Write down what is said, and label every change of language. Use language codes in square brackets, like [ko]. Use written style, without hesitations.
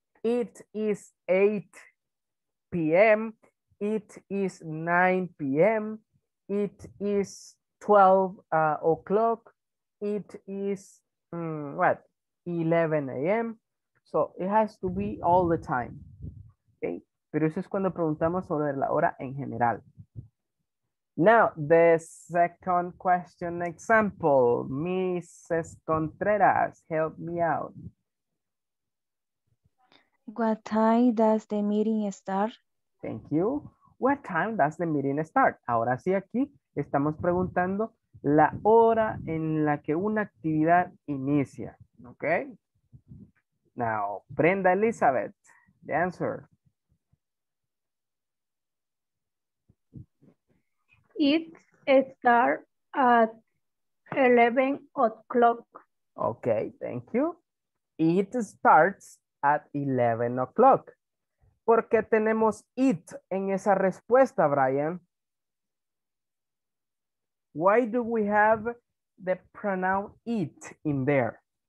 [en] It is 8 p.m., it is 9 p.m., it is 12 o'clock, it is, 11 a.m. So it has to be all the time, okay? [es] Pero eso es cuando preguntamos sobre la hora en general. [en] Now, the second question example. Mrs. Contreras, help me out. What time does the meeting start? Thank you. What time does the meeting start? [es] Ahora sí, aquí estamos preguntando la hora en la que una actividad inicia. [en] Okay. Now, Brenda Elizabeth, the answer. It starts at 11 o'clock. Okay, thank you. It starts at 11 o'clock. [es] ¿Por qué tenemos it en esa respuesta, Brian? [en] Why do we have the pronoun it in there?